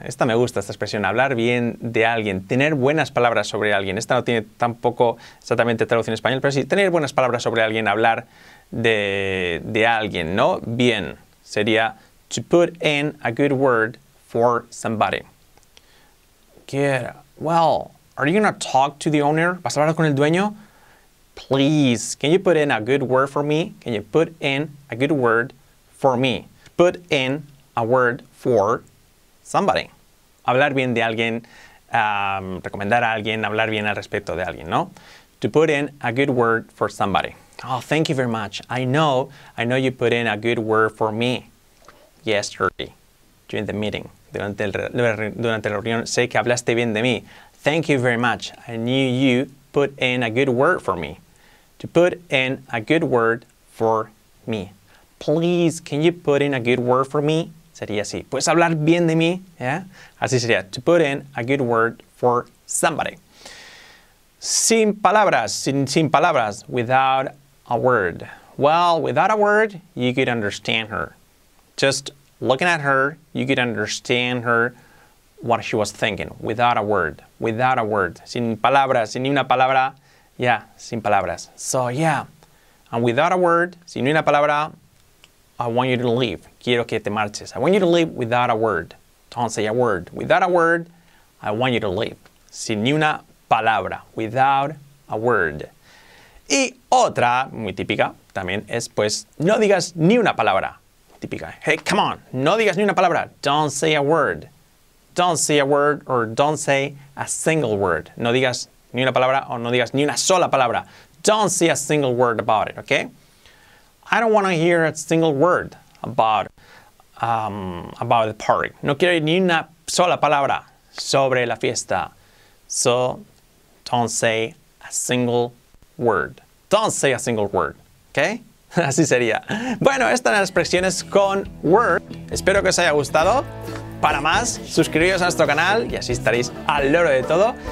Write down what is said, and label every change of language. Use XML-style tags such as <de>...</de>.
<es>Esta me gusta, esta expresión. Hablar bien de alguien. Tener buenas palabras sobre alguien. Esta no tiene tampoco exactamente traducción en español, pero sí, tener buenas palabras sobre alguien. Hablar de alguien, ¿no? Bien.</es> <en>Sería to put in a good word for somebody. Good. Well, are you gonna talk to the owner?</en> <es>¿Vas a hablar con el dueño?</es> <en>Please, can you put in a good word for me? Can you put in a good word for me? Put in a word for somebody.</en> <es>Hablar bien de alguien, recomendar a alguien, hablar bien al respecto de alguien, ¿no?</es> <en>To put in a good word for somebody. Oh, thank you very much. I know you put in a good word for me yesterday during the meeting.</en> <es>Durante la reunión, sé que hablaste bien de mí.</es> <en>Thank you very much. I knew you put in a good word for me. To put in a good word for me. Please, can you put in a good word for me?</en> <es>Sería así. ¿Puedes hablar bien de mí? ¿Yeah? Así sería.</es> <en>To put in a good word for somebody.</en> <es>Sin palabras, sin palabras.</es> <en>Without a word. Well, without a word, you could understand her. Just looking at her, you could understand her what she was thinking. Without a word. Without a word.</en> <es>Sin palabras, sin ni una palabra.</es> <en>Yeah,</en> <es>sin palabras.</es> <en>So, yeah. And without a word,</en> <es>sin una palabra,</es> <en>I want you to leave.</en> <es>Quiero que te marches.</es> <en>I want you to leave without a word. Don't say a word. Without a word, I want you to leave.</en> <es>Sin una palabra.</es> <en>Without a word.</en> <es>Y otra, muy típica, también es pues, no digas ni una palabra. Típica.</es> <en>Hey, come on.</en> <es>No digas ni una palabra.</es> <en>Don't say a word. Don't say a word or don't say a single word.</en> <es>No digas ni una palabra o no digas ni una sola palabra.</es> <en>Don't say a single word about it, okay? I don't want to hear a single word about the party.</en> <es>No quiero ni una sola palabra sobre la fiesta.</es> <en>So, don't say a single word. Don't say a single word, okay?</en> <es>Así sería. Bueno, estas son las expresiones con word. Espero que os haya gustado. Para más, suscribiros a nuestro canal y así estaréis al loro de todo.</es>